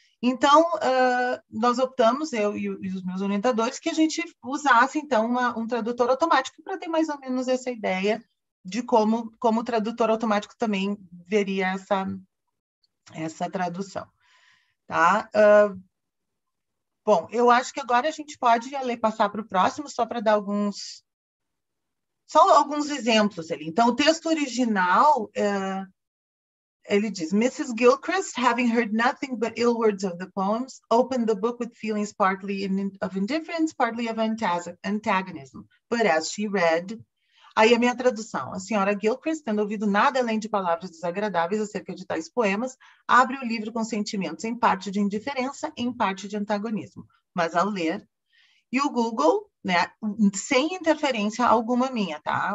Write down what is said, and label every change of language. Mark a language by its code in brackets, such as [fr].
[pt] Então, nós optamos, eu e os meus orientadores, que a gente usasse, então, um tradutor automático para ter mais ou menos essa ideia de como o tradutor automático também veria essa tradução. Tá? Bom, eu acho que agora a gente pode passar para o próximo, só para dar só alguns exemplos ali. Então, o texto original. Ele diz, Mrs. [en] Gilchrist, having heard nothing but ill words of the poems, opened the book with feelings partly of indifference, partly of antagonism. But as she read. [pt] Aí a minha tradução. A senhora Gilchrist, tendo ouvido nada além de palavras desagradáveis acerca de tais poemas, abre o livro com sentimentos em parte de indiferença, em parte de antagonismo. Mas ao ler. E o Google, né, sem interferência alguma minha, tá?